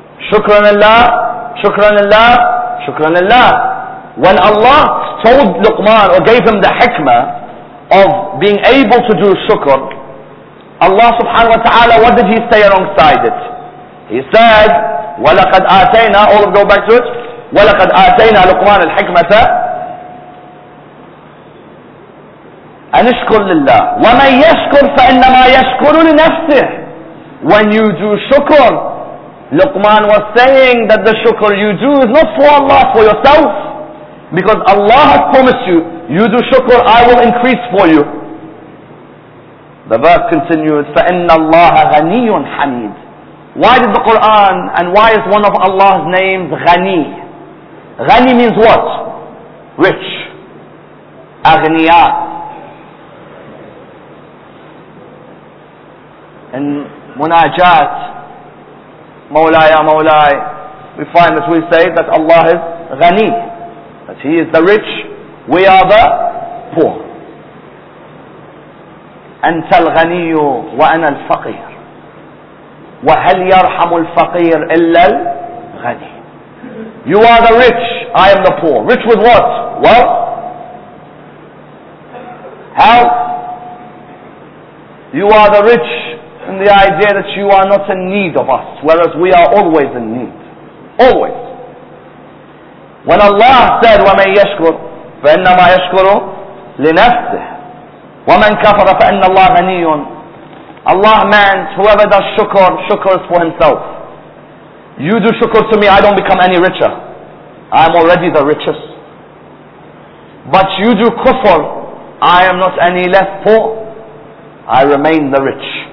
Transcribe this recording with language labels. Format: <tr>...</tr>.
<ar>Shukran Allah, shukran Allah, shukran Allah.</ar> <en>When Allah told Luqman or gave him the hikmah of being able to do shukr, Allah subhanahu wa ta'ala, what did He say alongside it? He said,</en> <ar>وَلَقَدْ آتَيْنَا,</ar> <en>all of go back to it,</en> <ar>وَلَقَدْ آتَيْنَا لُقْمَانَ الْحِكْمَةَ أَنِشْكُرْ لِلَّهِ وَمَنْ يَشْكُرْ فَإِنَّمَا يَشْكُرُ لِنَفْسِهِ.</ar> <en>When you do shukr, Luqman was saying that the shukr you do is not for Allah, for yourself. Because Allah has promised you, you do shukr, I will increase for you. The verse continues,</en> <ar>فَإِنَّ اللَّهَ غَنِيٌ حَمِيدٌ.</ar> <en>Why did the Quran, and why is one of Allah's names Ghani? Ghani means what? Rich. Aghniya. In Munajat, Mawla ya Mawlai, we find that we say that Allah is Ghani, that He is the rich, we are the poor.</en> <ar>أَنْتَ الْغَنِيُّ وَأَنَا الْفَقِيرُ وَهَلْ يَرْحَمُ الْفَقِيرُ إِلَّا الْغَنِي.</ar> <en>You are the rich, I am the poor. Rich with what? Well, how? You are the rich in the idea that you are not in need of us, whereas we are always in need. Always. When Allah said,</en> <ar>وَمَنْ يَشْكُرُ فَإِنَّمَا يَشْكُرُ لِنَفْسِهِ وَمَنْ كَفَرَ فَإِنَّ اللَّهَ غَنِيٌ.</ar> <en>Allah meant, whoever does shukr, shukr is for himself. You do shukr to me, I don't become any richer. I am already the richest. But you do kufr, I am not any less poor. I remain the rich.</en>